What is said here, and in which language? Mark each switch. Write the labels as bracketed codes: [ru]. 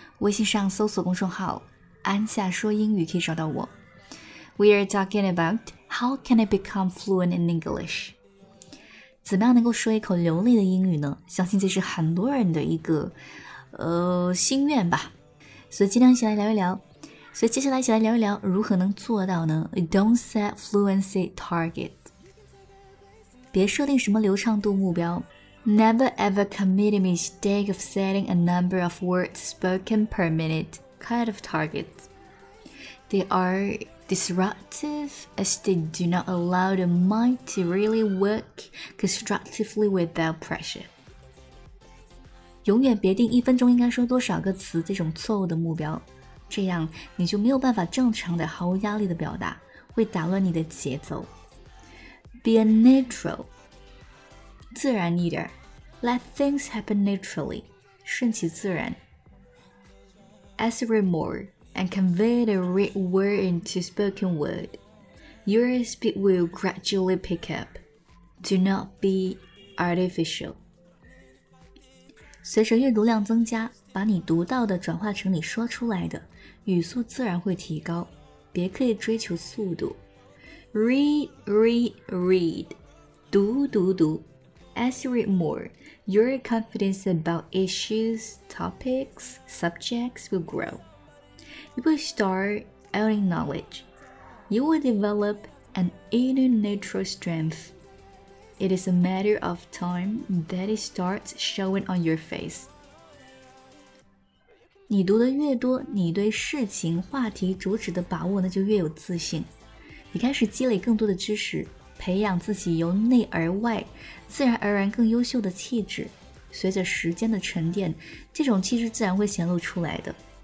[zh] 微信上搜索公众号安夏说英语可以找到我。 [en] We are talking about how can I become fluent in English? [zh] 怎么样能够说一口流利的英语呢？相信这是很多人的一个心愿吧。所以今天一起来聊一聊。所以接下来一起来聊一聊如何能做到呢 ? [en] Don't set fluency target. [zh] 别设定什么流畅度目标。 [en] Never ever commit a mistake of setting a number of words spoken per minute kind of target. They are disruptive as they do not allow the mind to really work constructively without pressure. [zh] 永远别定一分钟应该说多少个词这种错误的目标。这样你就没有办法正常的毫无压力的表达，会打乱你的节奏。 [en] Be a natural, [zh] 自然一点。 [en] Let things happen naturally, [zh] 顺其自然。 [en] As a remark and convey the written word into spoken word, your speed will gradually pick up. Do not be artificial. [zh] 随着阅读量增加，把你读到的转化成你说出来的。语速自然会提高，别刻意追求速度。 [en] Read, read, read. [zh] 读读读。 [en] As you read more, your confidence about issues, topics, subjects will grow. You will start owning knowledge. You will develop an inner natural strength. It is a matter of time that it starts showing on your face. [zh] 你读的越多，你对事情、话题、主旨的把握呢就越有自信。你开始积累更多的知识，培养自己由内而外、自然而然更优秀的气质。随着时间的沉淀，这种气质自然会显露出来的。